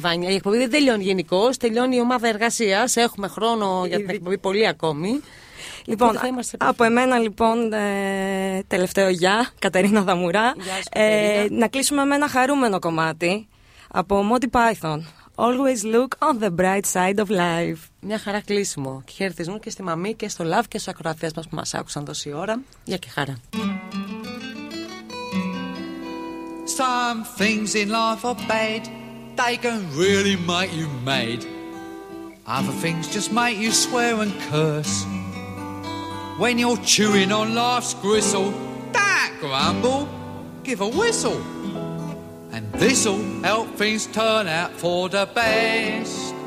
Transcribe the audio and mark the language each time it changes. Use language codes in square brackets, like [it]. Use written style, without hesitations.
[el] Η εκπομπή δεν τελειώνει γενικώς, τελειώνει η ομάδα εργασίας. Έχουμε χρόνο για την εκπομπή πολύ ακόμη. Λοιπόν, από εμένα λοιπόν, τελευταίο γεια, Κατερίνα Δαμουρά. Να κλείσουμε με ένα χαρούμενο κομμάτι από Monty Python. [en] Always look on the bright side of life. [el] Μια χαρά κλείσιμο. Χαιρετισμού και στη Μαμή και στο ΛΑΒ και στους ακροατές μας που μας άκουσαν τόση ώρα. Γεια και χαρά. [en] Some things in life are bad. They can really make you mad. Other things just make you swear and curse. When you're chewing on life's gristle, that grumble, give a whistle, and this'll help things turn out for the best.